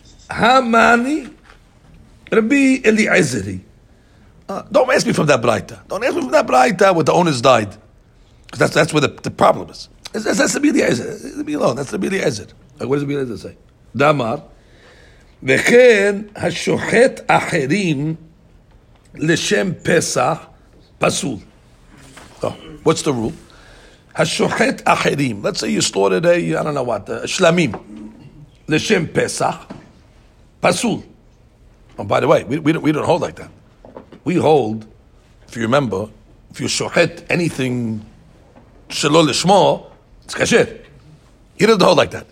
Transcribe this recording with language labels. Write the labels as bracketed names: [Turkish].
[Aramaic] Hamani Rabbi Eliezeri. [English] Don't ask me from that Braita. Don't ask me from that Braita where the owners died. Because that's where the problem is. That's Rabbi Eliezer. Leave me alone. That's Rabbi Eliezer. Like, what does Rabbi Eliezer say? [Aramaic] Damar. [Hebrew] וכן השוחט אחרים לשם פסח פסול. [English] What's the rule? [Hebrew] השוחט אחרים. [English] Let's say you slaughtered a, I don't know what, שלמים. [Hebrew] לשם פסח פסול. [English] Oh, by the way, we don't hold like that. We hold, if you remember, if you שוחט anything שלא לשמו, it's kasher. He doesn't hold like that.